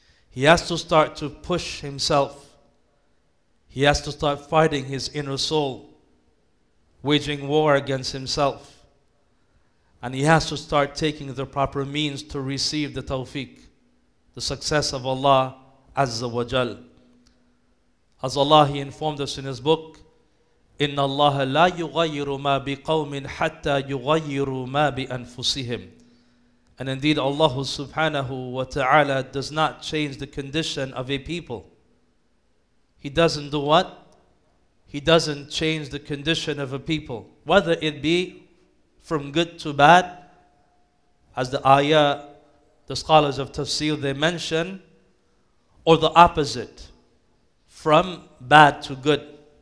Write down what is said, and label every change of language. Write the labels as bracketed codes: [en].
[en] He has to start to push himself. He has to start fighting his inner soul, waging war against himself. And he has to start taking the proper means to receive the tawfiq, the success of Allah Azza wa Jal. As Allah, He informed us in His book, [ar] إِنَّ اللَّهَ لَا يُغَيِّرُ مَا بِقَوْمٍ حَتَّى يُغَيِّرُ مَا بِأَنفُسِهِمْ. [en] And indeed, Allah subhanahu wa ta'ala does not change the condition of a people. He doesn't do what? He doesn't change the condition of a people, whether it be from good to bad. As the ayah, the scholars of tafsir, they mention, or the opposite, from bad to good.